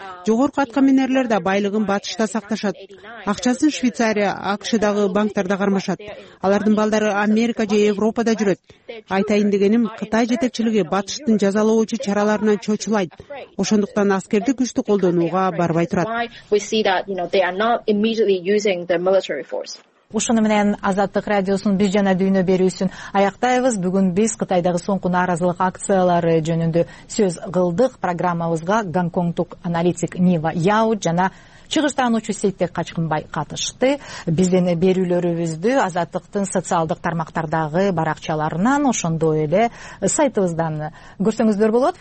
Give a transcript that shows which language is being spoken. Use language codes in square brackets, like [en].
[ky] Жогорку аткаминерлер да байлыгын батышта сакташат. Акчасын Швейцария, АКШдагы банктарда кармашат. Алардын балдары Америка же Европада жүрөт. Айтайын дегеним, Кытай жетекчилиги батыштын жазалоочу чараларынан чочулайт. Ошондуктан аскердик күчтү колдонууга барбай турат. [en] We see that, you know, they are not immediately using the military force. [ky] Ушуну менен Азаттык радиосунун биз жана дүйнө берүүсүн аяктайбыз. Бүгүн биз Кытайдагы соңку нааразылык акциялары жөнүндө сөз кылдык. Программабызга Гонконгтук аналитик Нива Яо жана чыгыштануучу Сейтек Качкынбай катышты. Биздин берүүлөрүбүздү Азаттыктын социалдык тармактардагы баракчаларынан, ошондой эле сайтыбыздан көрсөңүздөр болот.